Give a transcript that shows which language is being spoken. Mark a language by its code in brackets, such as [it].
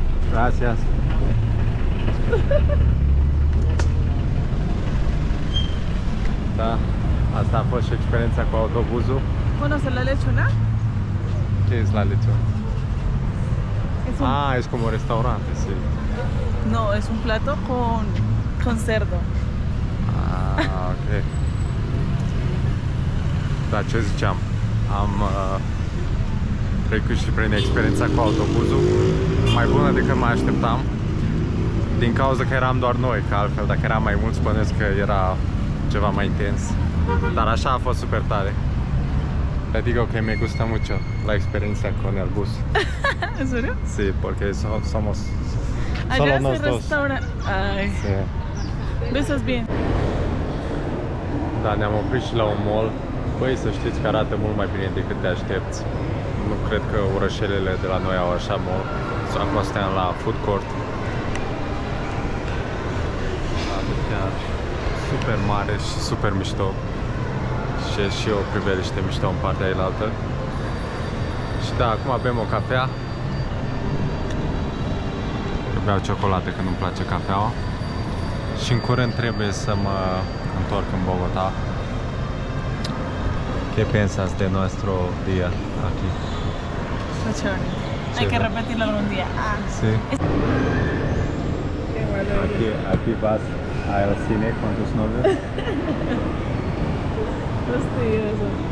[es] Gracias. [ro] Da, asta a fost și experiența cu autobuzul. [es] Conoce la lechona? [ro] Ce e la lechona? [es] Ah, es como restaurante, sí. No, es un plato con cerdo. Ah, ok. [ro] Da, ce ziceam? Am trecut și prin experiența cu autobuzul, mai bună decât mă așteptam, din cauza că eram doar noi, că altfel dacă eram mai mulți spuneți că era ceva mai intens, dar așa a fost super tare. [es] Le digo que me gusta mucho la experiencia con el bus. ¿En serio? Sí, porque somos solo nos dos. Sí. Besos bien. [ro] Da, ne-am oprit și la un mall. Băi, să știți că arată mult mai bine decât te aștepți. Nu cred că orășelele de la noi au așa mall. Sau acum stăm la food court. Adică super mare și super mișto. Și e și o priveliște mișto în partea ailaltă. Și da, acum bem o cafea. Eu beau ciocolată că nu-mi place cafeaua. Și în curând trebuie să mă întorc în Bogota. [es] ¿Qué piensas de nuestro día aquí? Está chévere. Hay que repetirlo algún día. Ah. Sí. ¿Aquí vas al cine con tus novios? Fastidioso.